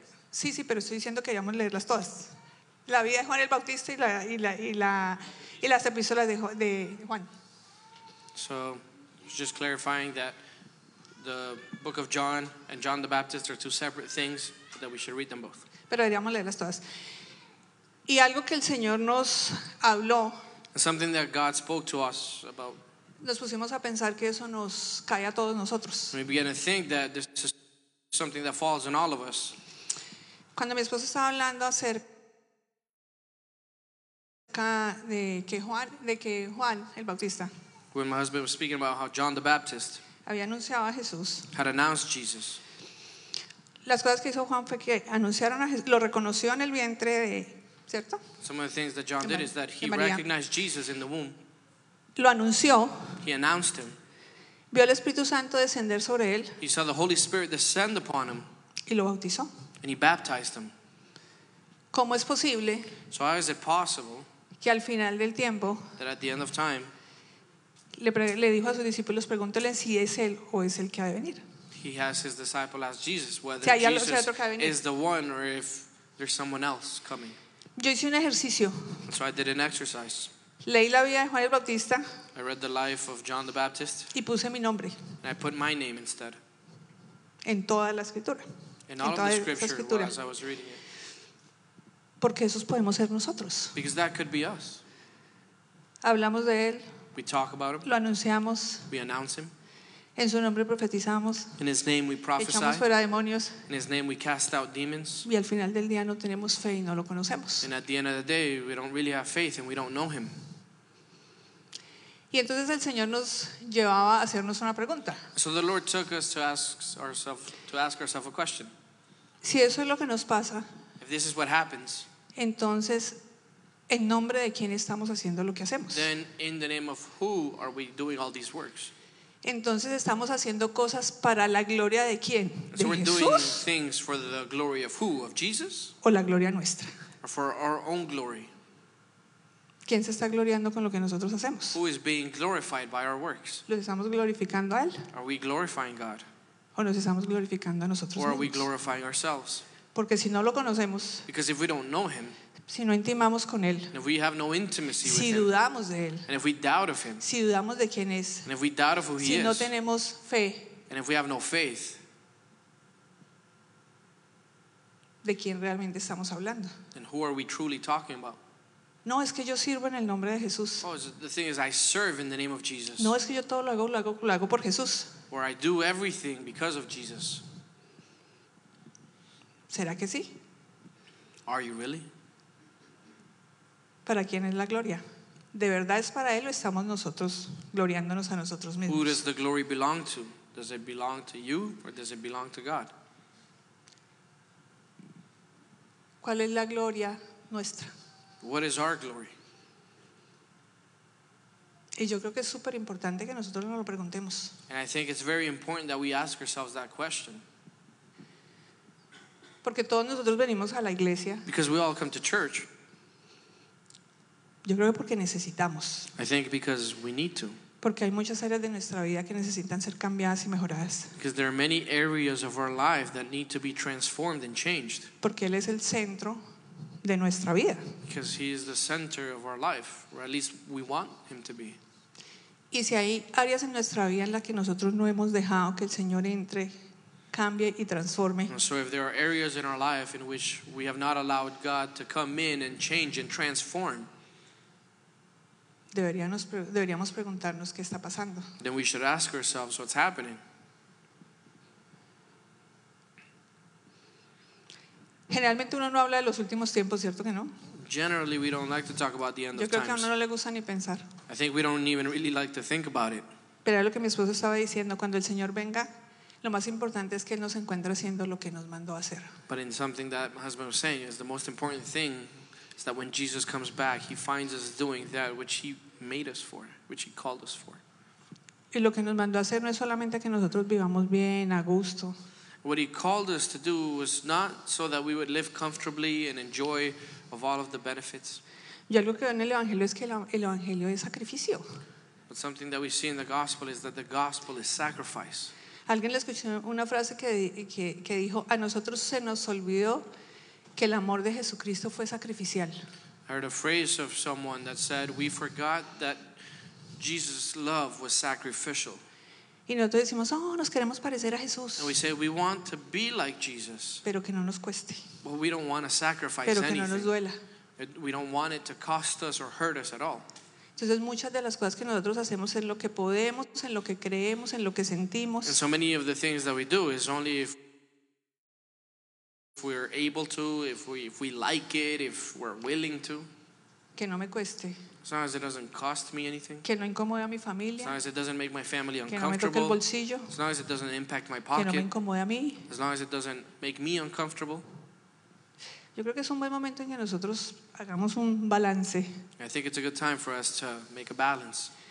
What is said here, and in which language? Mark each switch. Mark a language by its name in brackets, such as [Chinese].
[Spanish] Sí, pero estoy diciendo que queríamos leerlas todas. La vida de Juan el Bautista y las epístolas de Juan. [English] So, just clarifying that the book of John and John the Baptist are two separate things, that we should read them both. [Spanish] Pero deberíamos leerlas todas. Y algo que el Señor nos habló. [English] Something that God spoke to us about. [Spanish] Nos pusimos a pensar que eso nos cae a todos nosotros. [English] We began to think that this is something that falls on all of us. [Spanish] Cuando mi esposo estaba hablando acerca de que Juan el Bautista, [English] when my husband was speaking about how John the Baptist [Spanish] había anunciado a Jesús, [English] had announced Jesus, [Spanish] las cosas que hizo Juan fue que anunciaron a Jesús, lo reconoció en el vientre de, ¿cierto? [English] Some of the things that John did is that he recognized Jesus in the womb. [Spanish] Lo anunció. [English] He announced him. [Spanish] Vio al Espíritu Santo descender sobre él. [English] He saw the Holy Spirit descend upon him. [Spanish] Y lo bautizó. [English] And he baptized him. [Spanish] ¿Cómo es posible? [English] So how is it possible? [Spanish] Que al final del tiempo, [English] that at the end of time, [Spanish] le dijo a sus discípulos, pregúntele si es él o es el que ha de venir. [English] He has his disciple ask Jesus whether [Spanish] si [English] Jesus is the one or if there's someone else coming. [Spanish] Yo hice un ejercicio. [English] So I did an exercise. [Spanish] Leí la vida de Juan el Bautista. [English] I read the life of John the Baptist. [Spanish] Y puse mi nombre. [English] And I put my name instead. [Spanish] En toda la escritura. [English] In all of the scripture, as I was reading it. [Spanish] Porque esos podemos ser nosotros. [English] Because that could be us. [Spanish] Hablamos de él. [English] We talk about him. [Spanish] Lo anunciamos. [English] We announce him. [Spanish] En su nombre profetizamos. [English] In his name we prophesy. [Spanish] Echamos fuera demonios. [English] In his name we cast out demons. [Spanish] Y al final del día no tenemos fe y no lo conocemos. [English] And at the end of the day we don't really have faith and we don't know him. [Spanish] Y entonces el Señor nos llevaba a hacernos una pregunta. [English] So the Lord took us to ask ourselves a question. [Spanish] Si eso es lo que nos pasa. [English] If this is what happens, [Spanish] entonces, en nombre de quién estamos haciendo lo que hacemos. [English] Then in the name of who are we doing all these works? [Spanish] Entonces estamos haciendo cosas para la gloria de quién? [English] So [Spanish] ¿De [English] we're [Spanish] Jesús? [English] Doing things for the glory of who? Of Jesus? [Spanish] O la gloria nuestra. [English] Or for our own glory. [Spanish] ¿Quién se está gloriando con lo que nosotros hacemos? [English] Who is being glorified by our works? [Spanish] ¿Lo estamos glorificando a él? [English] Are we glorifying God? [Spanish] ¿O nos estamos glorificando a nosotros [English] or [Spanish] mismos? [English] Or are we glorifying ourselves? [Spanish] Porque si no lo conocemos, [English] because if we don't know him, [Spanish] si no intimamos con él, [English] and if we have no intimacy [Spanish] si [English] with him, [Spanish] dudamos de él, [English] and if we doubt of him, [Spanish] si dudamos de quién es, [English] and if we doubt of who [Spanish] si [English] he is, [Spanish] no tenemos fe, [English] and if we have no faith, [Spanish] de quién realmente estamos hablando, [English] then who are we truly talking about? [Spanish] No, es que yo sirvo en el nombre de Jesús. [English] Oh, the thing is, I serve in the name of Jesus. [Spanish] No, es que yo todo lo hago por Jesús. [English] Or I do everything because of Jesus. [Spanish] ¿Será que sí? [English] Are you really? [Spanish] ¿Para quién es la gloria? ¿De verdad es para él o estamos nosotros gloriándonos a nosotros mismos? [English] Who does the glory belong to? Does it belong to you or does it belong to God? [Spanish] ¿Cuál es la gloria nuestra? [English] What is our glory? [Spanish] Y yo creo que es súper importante que nosotros nos lo preguntemos. [English] And I think it's very important that we ask ourselves that question. [Spanish] Porque todos nosotros venimos a la iglesia. [English] Because we all come to church. [Spanish] Yo creo que porque necesitamos. [English] I think because we need to. [Spanish] Porque hay muchas áreas de nuestra vida que necesitan ser cambiadas y mejoradas. [English] Because there are many areas of our life that need to be transformed and changed. [Spanish] Porque él es el centro de nuestra vida. [English] Because he is the center of our life, or at least we want him to be. [Spanish] Y si hay áreas en nuestra vida en las que nosotros no hemos dejado que el Señor entre, cambie y transforme. [English] And so if there are areas in our life in which we have not allowed God to come in and change and transform, [Spanish] deberíamos preguntarnos qué está pasando. [English] Then we should ask ourselves what's happening. [Spanish] Generalmente uno no habla de los últimos tiempos, ¿cierto que no? [English] Generally we don't like to talk about the end of times. [Spanish] Yo creo que a uno no le gusta ni pensar. [English] I think we don't even really like to think about it. [Spanish] Pero lo que mi esposo estaba diciendo, cuando el Señor venga, lo más importante es que él nos encuentre haciendo lo que nos mandó a hacer. [English] But in something that my husband was saying is the most important thing is that when Jesus comes back, he finds us doing that which he made us for, which he called us for. [Spanish] Y lo que nos mandó a hacer no es solamente que nosotros vivamos bien, a gusto. [English] What he called us to do was not so that we would live comfortably and enjoy of all of the benefits. [Spanish] Y algo que en el evangelio es que el evangelio es sacrificio. [English] But something that we see in the gospel is that the gospel is sacrifice. [Spanish] Alguien le escuchó una frase que dijo, a nosotros se nos olvidó que el amor de Jesucristo fue sacrificial. [English] I heard a phrase of someone that said, we forgot that Jesus' love was sacrificial. [Spanish] Y nosotros decimos, oh, nos queremos parecer a Jesús. [English] And we say, we want to be like Jesus. [Spanish] Pero que no nos cueste. [English] But we don't want to sacrifice [Spanish] pero que [English] anything. [Spanish] No nos duela. [English] We don't want it to cost us or hurt us at all. [Spanish] Entonces muchas de las cosas que nosotros hacemos es lo que podemos, en lo que creemos, en lo que sentimos. [English] And so many of the things that we do is only if we're able to, if we like it, if we're willing to. [Spanish] Que no me cueste. [English] As long as it doesn't cost me anything. [Spanish] Que no incomode a mi familia. [English] As long as it doesn't make my family uncomfortable. [Spanish] Que no me toque el bolsillo. [English] As long as it doesn't impact my pocket. [Spanish] Que no me incomode a mí. [English] As long as it doesn't make me uncomfortable. [Spanish] Yo creo que es un buen momento en que nosotros hagamos un balance. [English] I think it's a good time for us to make a balance.